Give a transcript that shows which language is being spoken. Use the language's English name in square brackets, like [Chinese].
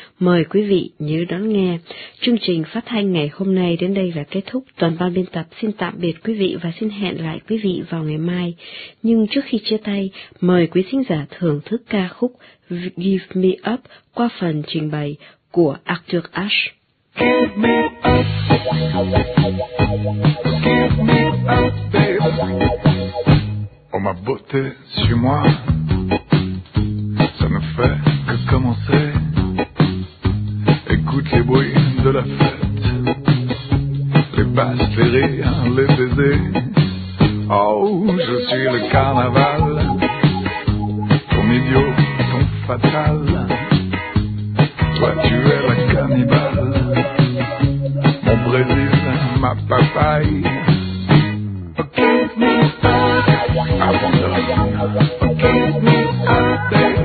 [Vietnamese] Mời quý vị nhớ đón nghe. Chương trình phát thanh ngày hôm nay đến đây là kết thúc. Toàn ban biên tập xin tạm biệt quý vị và xin hẹn lại quý vị vào ngày mai. Nhưng trước khi chia tay, mời quý thính giả thưởng thức ca khúc Give Me Up qua phần trình bày của Arthur Ashe. [English] Give me up, give me up, babe. [French] Oh ma beauté, suis-moi. Ça ne fait que commencer. Écoute les bruits de la fête, les basses, les rires, les baisers. Oh, je suis le carnaval, ton idiot, ton fatal. Toi tu es la cannibale, mon Brésil, ma papaye. [English] Oh, give me a wonder, oh, give me a day.